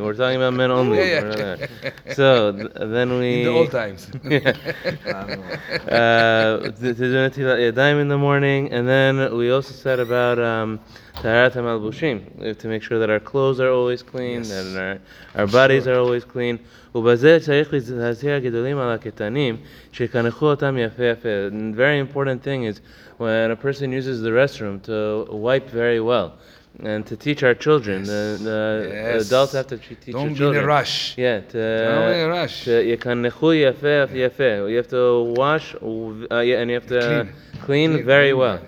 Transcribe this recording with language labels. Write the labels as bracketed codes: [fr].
[en] We're talking about men only. So then we... In the old times. To do netilat nedarim in the morning. And then we also said about... Taharat ha-malbushim, to make sure that our clothes are always clean, yes. That our bodies are always clean. [he] ובזה צריך להזהיר הגדולים על הקטנים שכנחו אותם יפה יפה. [en] Very important thing is when a person uses the restroom to wipe very well. And to teach our children, adults have to teach Don't our children. Don't be in a rush. Yeah, Don't be in a rush. [he] Yafe, yafe. [en] You have to wash and you have to clean very well.